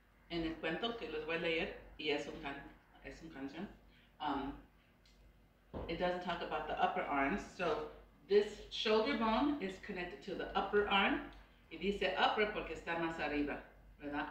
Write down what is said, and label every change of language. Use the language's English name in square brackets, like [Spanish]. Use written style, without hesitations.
[Spanish] En el cuento que les voy a leer, y es un canción. [English] It doesn't talk about the upper arms. So this shoulder bone is connected to the upper arm. [Spanish] Y dice upper porque está más arriba, ¿verdad?